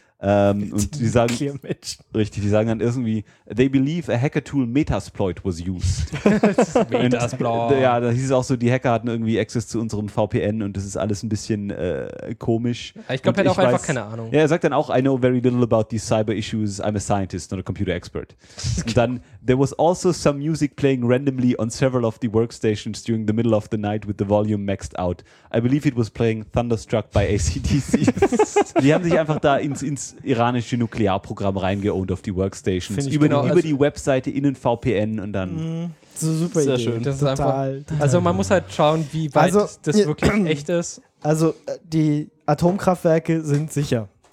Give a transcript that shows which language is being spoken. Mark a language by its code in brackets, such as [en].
[de] Und die sagen, richtig, die sagen dann irgendwie, [en] they believe a hacker tool Metasploit was used. [de] Metasploit. Ja, da hieß es auch so, die Hacker hatten irgendwie Access zu unserem VPN und das ist alles ein bisschen komisch. Ich glaube, er hat auch einfach keine Ahnung. Ja, er sagt dann auch, [en] I know very little about these cyber issues, I'm a scientist, not a computer expert. [de] Und dann, [en] there was also some music playing randomly on several of the workstations during the middle of the night with the volume maxed out. I believe it was playing Thunderstruck by AC/DC. [de] Die haben sich einfach da ins iranische Nuklearprogramm reingeownt auf die Workstations. Über die Webseite in den VPN und dann. Das ist super, sehr schön. Das ist total, einfach, total. Also man muss halt schauen, wie weit also, das wirklich echt ist. Also die Atomkraftwerke sind sicher.